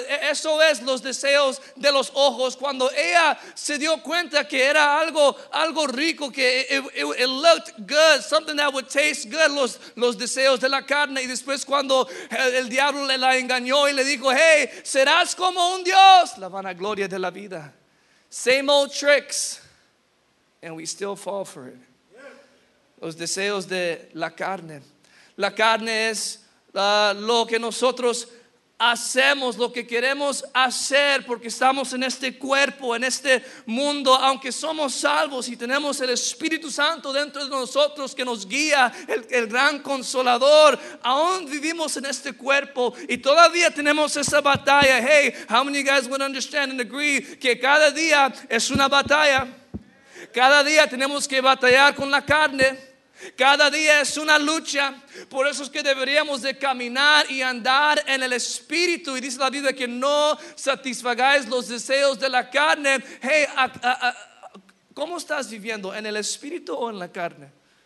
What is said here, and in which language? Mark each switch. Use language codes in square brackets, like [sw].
[es] eso es los deseos de los ojos, cuando ella se dio cuenta que era algo rico, que [en] it looked good, something that would taste good, [es] los deseos de la carne. Y después cuando el diablo le la engañó y le dijo, hey, serás como un Dios, la vanagloria de la vida. [en] Same old tricks, and we still fall for it. [es] Los deseos de la carne. La carne es lo que nosotros hacemos, lo que queremos hacer, porque estamos en este cuerpo, en este mundo. Aunque somos salvos y tenemos el Espíritu Santo dentro de nosotros que nos guía, el gran consolador, aún vivimos en este cuerpo y todavía tenemos esa batalla. [en] Hey, how many of you guys would understand and agree [es] que cada día es una batalla? Cada día tenemos que batallar con la carne. Cada día es una lucha. Por eso es que deberíamos de caminar y andar en el Espíritu. Y dice la Biblia que no satisfagáis los deseos de la carne. Hey, ¿cómo estás viviendo? ¿En el Espíritu o en la carne?